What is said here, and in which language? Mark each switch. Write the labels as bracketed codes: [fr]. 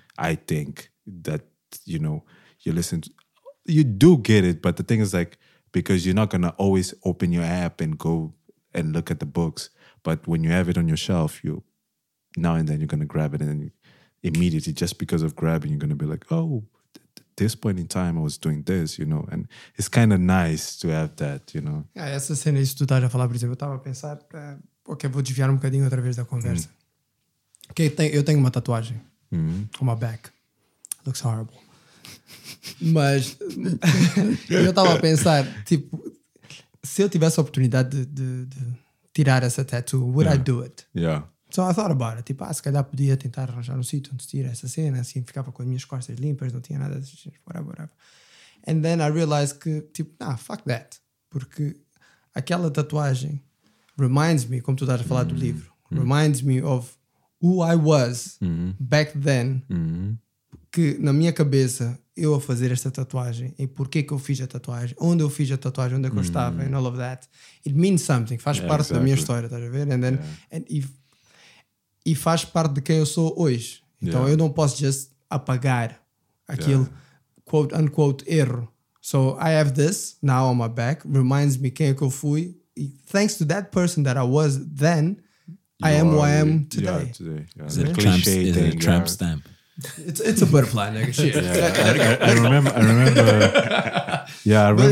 [en] I think that, you know, you do get it, but the thing is like, because you're not gonna always open your app and go and look at the books. But when you have it on your shelf, you now and then you're gonna grab it, and then immediately, just because of grabbing, you're gonna be like, "Oh, this point in time, I was doing this," you know. And it's kind of nice to have that, you know. [pt] Ah, essa cena, isso tu estás a falar, por exemplo, eu estava a pensar, ok, vou desviar um bocadinho outra vez da conversa. Ok, eu tenho uma tatuagem [en] on my back. Looks horrible. [pt] Mas eu estava a pensar, tipo, se eu tivesse a oportunidade de tirar essa tattoo, [en] would I do it? Yeah. So I thought about it. [pt] Tipo, se calhar podia tentar arranjar um sítio onde tira essa cena, assim, ficava com as minhas costas limpas, não tinha nada, whatever. [en] And then I realized [pt] que, tipo, [en] nah, fuck that. [pt] Porque aquela tatuagem [en] reminds me, [pt] como tu estás a falar do livro, reminds me of who I was back then, que na minha cabeça eu a fazer esta tatuagem e porquê que eu fiz a tatuagem, onde eu fiz a tatuagem, onde é que eu estava, [en] and all of that, it means something, [pt] faz parte da minha história, estás a ver? [en] And then, [pt] e faz parte de quem eu sou hoje. Então eu não posso just apagar aquele quote unquote erro. [en] So I have this now on my back, reminds me [pt] quem é que eu fui, e [en] thanks to that person that I was then, I am who I am today. It's a tramp stamp. It's a butterfly, nigga. I remember. Yeah, I remember.